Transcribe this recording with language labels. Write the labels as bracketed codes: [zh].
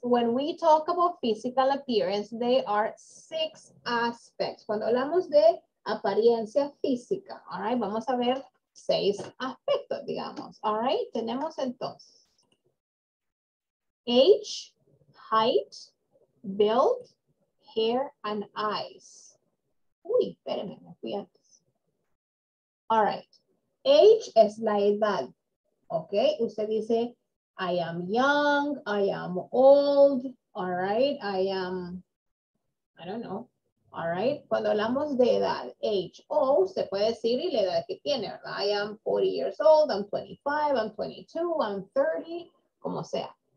[en] When we talk about physical appearance, there are 6 aspects. [es] Cuando hablamos de apariencia física, all right, vamos a ver 6 aspectos, digamos. [en] All right, tenemos entonces. Age, height, build, hair and eyes. [es] Uy, espérenme, me fui antes. All right. Age es la edad. Ok, usted dice, [en] I am young, I am old. All right, I don't know. [es] All right, cuando hablamos de edad, age, o usted puede decir y la edad que tiene, ¿verdad? [en] I am 40 years old, I'm 25, I'm 22, I'm 30, [es] como sea.